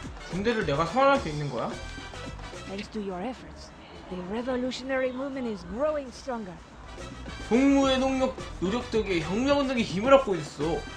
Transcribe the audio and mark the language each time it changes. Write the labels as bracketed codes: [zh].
[ko] 군대를 내가 선언할 수 있는 거야? [en] Thanks to your efforts, the revolutionary movement is growing stronger. [ko] 동무의 노력 덕에 혁명운동이 힘을 얻고 있어.